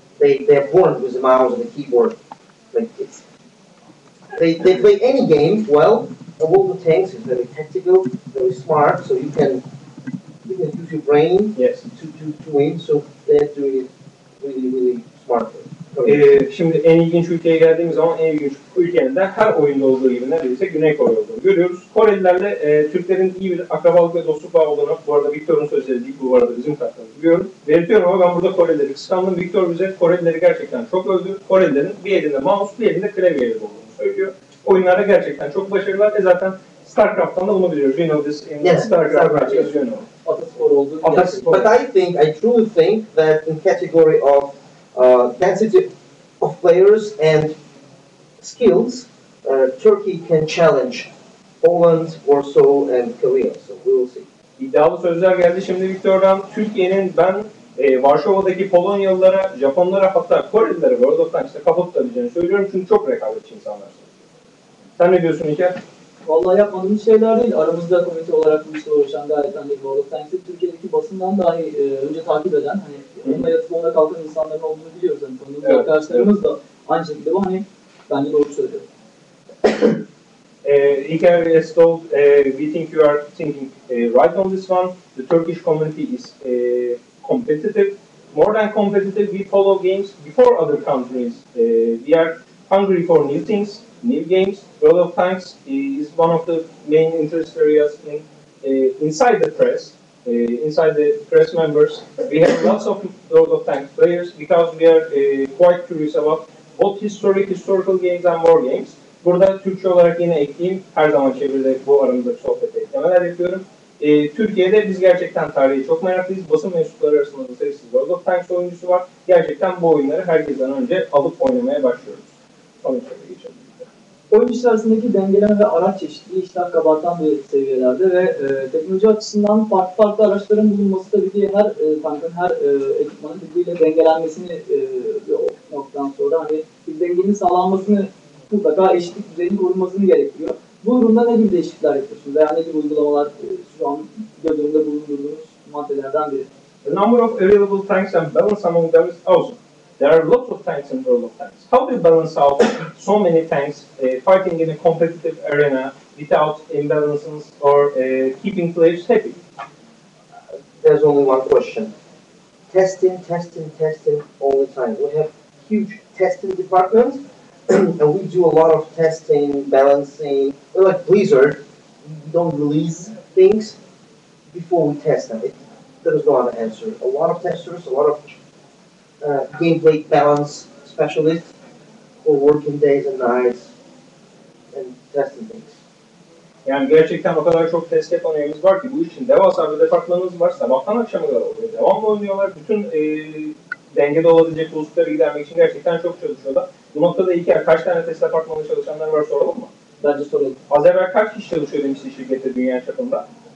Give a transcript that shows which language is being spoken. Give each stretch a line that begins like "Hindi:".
English: They are born with a mouse and a keyboard. Like it's. They play any game well. A World of Tanks is very tactical, very smart, so you can. Use your brain to win, so they're doing it really, really smartly.
Turkish: Şimdi en ilginç ülkeye geldiğimiz zaman en ilginç ülkenin de her oyunda olduğu gibi neredeyse Güney Kore olduğunu görüyoruz. Korelilerle Türklerin iyi bir akrabalık ve dostluk bağı olarak, bu arada Victor'un sözleri değil, bu arada bizim katlarımız biliyorum. Belirtiyorum ama ben burada Korelileri kıskandım. Victor bize Korelileri gerçekten çok övdü. Korelilerin bir elinde mouse, bir elinde klavyeli olduğunu söylüyor. Oyunlarda gerçekten çok başarılılar ve zaten StarCraft'tan da bunu biliyoruz.
English: You know this in StarCraft, as you know. But I truly think that in category of density of players and skills, Turkey can challenge Poland, Warsaw and Korea. So we will see.
Turkish: İddialı sözler geldi şimdi Victor'dan. Türkiye'nin ben Varşova'daki Polonyalılara, Japonlara hatta Korelilere World of Tanks'ta kaput tutabileceğini söylüyorum. Çünkü çok rekabetçi insanlar. Sen ne diyorsun İlker? Vallahi yapmadığımız şeyler değil. Aramızda komite olarak bu işle uğraşan gayet hani World of Tanks'ı Türkiye'deki basından dahi önce takip eden, hani onunla yatıp onunla kalkan insanların olduğunu biliyoruz. Hani tanıdığımız arkadaşlarımız da aynı şekilde bu. Hani ben de doğru söylüyorum.
English: İlker ve Estol, we think you are thinking right on this one. The Turkish community is competitive. More than competitive, we follow games before other countries. We are hungry for new things. New games, World of Tanks is one of the main interest areas in inside the press, inside the press members. We have lots of World of Tanks players because we are quite curious about both historical games and war games.
Turkish: Burada Türkçe olarak yine ekleyeyim, her zaman çevirde bu aramızdaki sohbete eklemeler yapıyorum. Türkiye'de biz gerçekten tarihi çok meraklıyız. Basın mensupları arasında da sayısız World of Tanks oyuncusu var. Gerçekten bu oyunları herkesten önce alıp oynamaya başlıyoruz. Sonuçlara geçelim. Oyuncu arasındaki dengeleme ve araç çeşitliği işten kabartan bir seviyelerde ve teknoloji açısından farklı farklı araçların bulunması tabii ki her tankın, her ekipmanın birbiriyle dengelenmesini ve o noktadan sonra hani bir dengenin sağlanmasını mutlaka eşitlik düzeyini korunmasını gerektiriyor. Bu durumda ne gibi değişiklikler yapıyorsunuz veya ne gibi uygulamalar şu an gördüğünüzde bulunduğunuz maddelerden biri?
English: The number of available tanks and balance among them is awesome. There are lots of tanks in World of Tanks. How do you balance out so many tanks fighting in a competitive arena without imbalances or keeping players happy? there's only one question. Testing all the time. We have huge testing department, and we do a lot of testing, balancing. We're like Blizzard, we don't release things before we test them. There is no other answer. A lot of testers, a lot of gameplay balance specialists who are working days and nights and testing things.
Turkish: Yani gerçekten o kadar çok test yapanıyoruz var ki bu için devasa bir departmanımız var. Sabahtan akşama kadar oluyor. Devamlı oynuyorlar. Bütün dengede olabilecek bozuklukları gidermek için gerçekten çok çalışıyorlar. Bu noktada iyi ki kaç tane test departmanı çalışanlar var soralım mı? Bence soralım. Az evvel kaç kişi çalışıyor demişti şirkette dünya çapında?